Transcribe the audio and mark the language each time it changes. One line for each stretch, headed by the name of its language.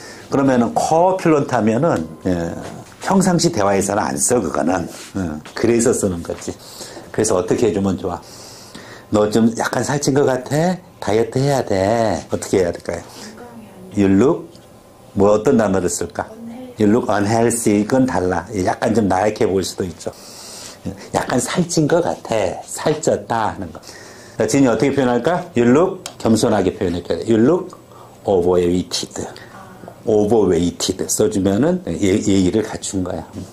Korean: 그러면은 코어필런트 하면은 평상시 대화에서는 안 써 그거는. 그래서 쓰는 거지. 그래서 어떻게 해주면 좋아? 너 좀 약간 살찐 것 같아? 다이어트 해야 돼. 어떻게 해야 될까요?
English: You look
Korean: 뭐 어떤 단어를 쓸까?
English: You look unhealthy
Korean: 건 달라. 약간 좀 나약해 보일 수도 있죠. 약간 살찐 것 같아. 살쪘다 하는 거. 자, 진이 어떻게 표현할까?
English: You look
Korean: 겸손하게 표현할까요?
English: You look overweighted. Overweighted
Korean: 써주면은 얘기를 갖춘 거야.